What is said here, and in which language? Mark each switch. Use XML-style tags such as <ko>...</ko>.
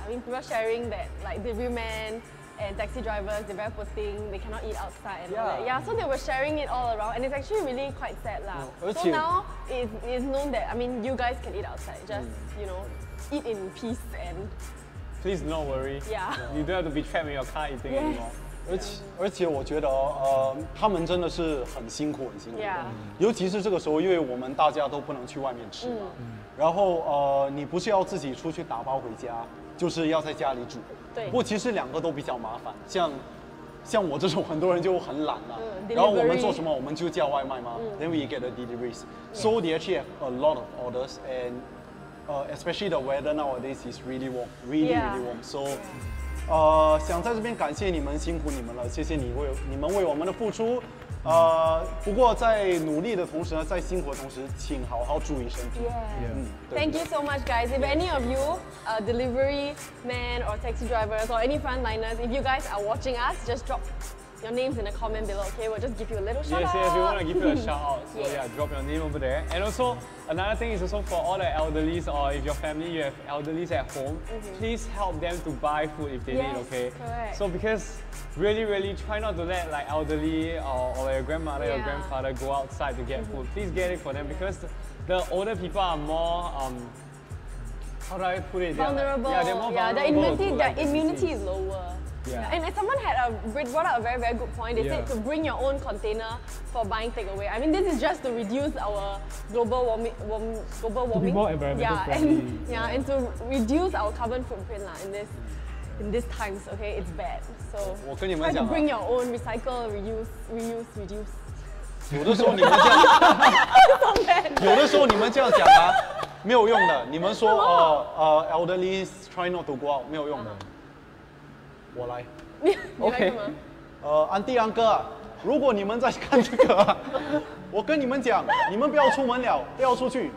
<en>I mean, people sharing that like the real men and taxi drivers, they're very poor thing, they cannot eat outside and all that. Yeah, so they were sharing it all around and it's actually really quite sad lah. So now it's known that, I mean, you guys can eat outside. Just, you know, eat in peace and... Please don't worry. Yeah. No. You don't have to be trapped in your car eating anymore.</en> <zh>而且我觉得他们真的是很辛苦的、尤其是这个时候，因为我们大家都不能去外面吃嘛，然后你不是要自己出去打包回家，就是要在家里煮。对，不过其实两个都比较麻烦，像我这种很多人就很懒了、</zh> <en>Delivery.</en> <zh>然后我们做什么，我们就叫外卖吗、</zh> <en>Then we get the deliveries. So they actually have a lot of orders and especially the weather nowadays is really warm, really warm.</en> <zh>So 想在这边感谢你们，辛苦你们了，谢谢你们为我们的付出。不过在努力的同时呢，在辛苦的同时，请好好注意身体。</zh> <en>Thank you so much, guys. If any of you, delivery man or taxi drivers or any frontliners, if you guys are watching us, just drop your names in the comment below. Okay, we'll just give you a little shout out. Yes, if you want to give you a shout out, so yeah, drop your name over there. And also another thing is also for all the elderlies or if your family you have elderlies at home, please help them to buy food if they need. Okay. Correct. So because really try not to let like elderly or your grandmother, your grandfather go outside to get food. Please get it for them because the older people are more how do I put it? Vulnerable. Yeah, they're more vulnerable. Their immunity is lower. Yeah. And someone had brought up a very, very good point. They said to bring your own container for buying takeaway. I mean, this is just to reduce our global warming. To be more environmental friendly. And to reduce our carbon footprint lah, in this times, okay? It's bad. So, try to bring your own, recycle, reuse.</en> <zh>有的时候你们这样讲啊, 没有用的。你们说,</zh> <en>elderly try not to go out,</en> <zh>没有用的。我来，你来干嘛？安迪安哥，如果你们在看这个，我跟你们讲，你们不要出门了，不要出去。</zh>